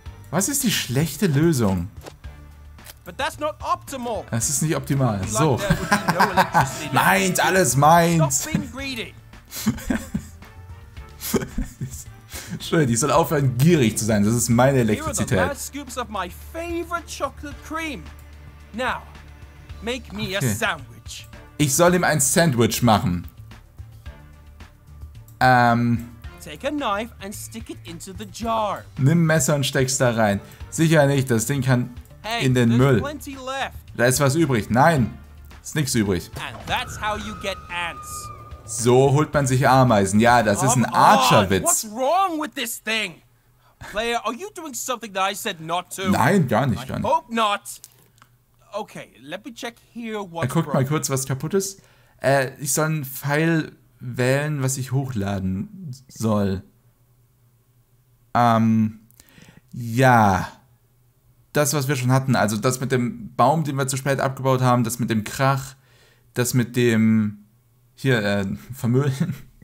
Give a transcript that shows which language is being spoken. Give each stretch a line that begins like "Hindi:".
German: Was ist die schlechte Lösung?
English: But that's not optimal.
German: Das ist nicht optimal. So. Meins, alles meins.
English: Stop being greedy.
German: Schön, ich soll aufhören, gierig zu sein. Das ist meine Elektrizität.
English: Here are the last scoops of my favorite chocolate cream. Now, make me okay. A sandwich.
German: Ich soll ihm ein Sandwich machen.
English: Take a knife and stick it into the jar.
German: Nimm ein Messer und steck's da rein. Sicher nicht, das Ding kann hey, in den Müll.
English: Plenty left.
German: Da ist was übrig. Nein, ist nichts übrig.
English: And that's how you get ants.
German: So holt man sich Ameisen. Ja, das ist ein Archer-Witz.
English: What's wrong with this thing? Player, are you doing something that I said not to?
German: Nein, gar nicht.
English: I hope not. Okay, let me check here what's broken.
German: Guckt mal kurz, was kaputt ist. Ich soll einen Pfeil wählen, was ich hochladen soll. Ja. Das, was wir schon hatten. Also das mit dem Baum, den wir zu spät abgebaut haben. Das mit dem Krach. Das mit dem... Hier, vermüllen.